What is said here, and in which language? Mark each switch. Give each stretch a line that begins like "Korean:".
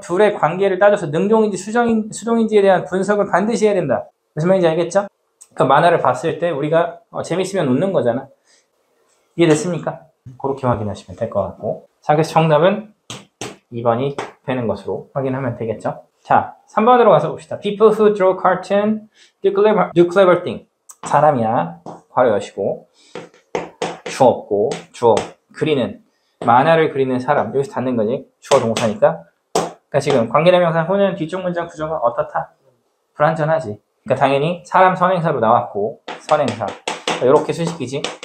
Korean: 둘의 관계를 따져서 능동인지 수동인지에 대한 분석을 반드시 해야 된다. 무슨 말인지 알겠죠? 그 만화를 봤을 때 우리가 재밌으면 웃는 거잖아. 이해됐습니까? 그렇게 확인하시면 될 것 같고 자 그래서 정답은 2번이 되는 것으로 확인하면 되겠죠? 자 3번으로 가서 봅시다.
English: People who draw cartoon do clever thing.
Korean: 사람이야. 괄호 여시고 주어 없고 주어 그리는 만화를 그리는 사람 여기서 닿는 거지. 주어 동사니까. 그러니까 지금 관계대명사 후는 뒤쪽 문장 구조가 어떻다? 불완전하지. 그러니까 당연히 사람 선행사로 나왔고 선행사 이렇게 수식이지.